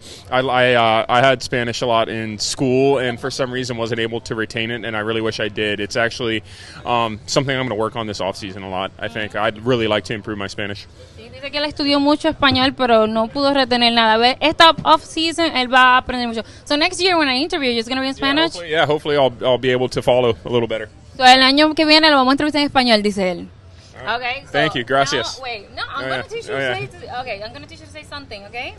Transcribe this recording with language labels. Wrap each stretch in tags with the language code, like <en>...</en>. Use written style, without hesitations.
<en>I had Spanish a lot in school, and for some reason wasn't able to retain it, and I really wish I did. It's actually something I'm going to work on this offseason a lot, I think. I'd really like to improve my Spanish.</en> <es>Sí, dice que él estudió mucho español, pero no pudo retener nada. A ver, esta offseason, él va a aprender mucho.</es> <en>So next year when I interview you, it's going to be in Spanish? Hopefully I'll be able to follow a little better.</en> <es>So el año que viene lo vamos a entrevistar en español, dice él.</es> <en>Okay. Thank you.</en> <es>Gracias.</es> <en>I'm going to teach you to say something, okay?</en>